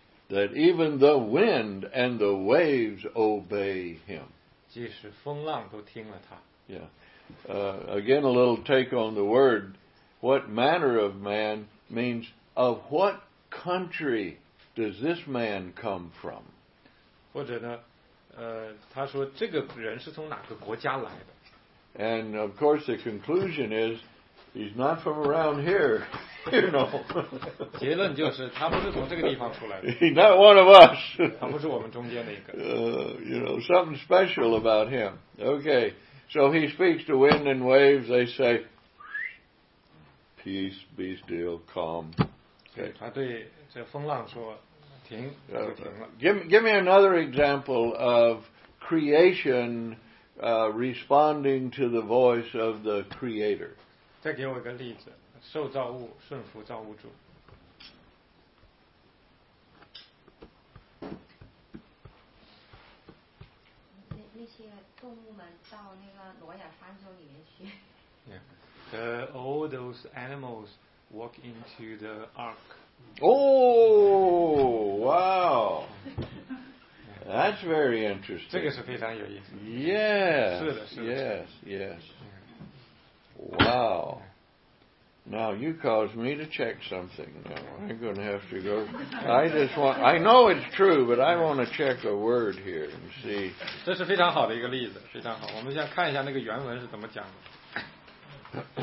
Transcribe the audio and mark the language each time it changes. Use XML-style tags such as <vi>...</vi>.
<en>That even the wind and the waves obey him.</en> <zh>即使风浪都听了他。</zh> <en>Yeah. Again, a little take on the word. What manner of man means of what country does this man come from?</en> <zh>或者呢，他说这个人是从哪个国家来的。</zh> <en>And of course the conclusion is, he's not from around here. You know.</en> <zh>结论就是他不是从这个地方出来的。</zh> <en>He's not one of us.</en> <zh>他不是我们中间的一个。</zh> <en>You know, something special about him. Okay, so he speaks to wind and waves. They say, peace, be still, calm. Okay.</en> <zh>他对这风浪说停就停了。</zh> <en>Give me another example of creation responding to the voice of the creator.</en> <zh>再给我一个例子。受造物顺服造物主。那些动物们到那个挪亚方舟里面去。</zh> <en>Yeah. The, all those animals walk into the ark. Oh, wow. That's very interesting.</en> <zh>这个是非常有意思。</zh> <en>Yes.</en> <zh>是的，是的。</zh> <en>Yes, yes. Wow. Now you caused me to check something. Now I'm going to have to go. I know it's true, but I want to check a word here and see.</en> <zh>这是非常好的一个例子，非常好。我们先看一下那个原文是怎么讲的。</zh>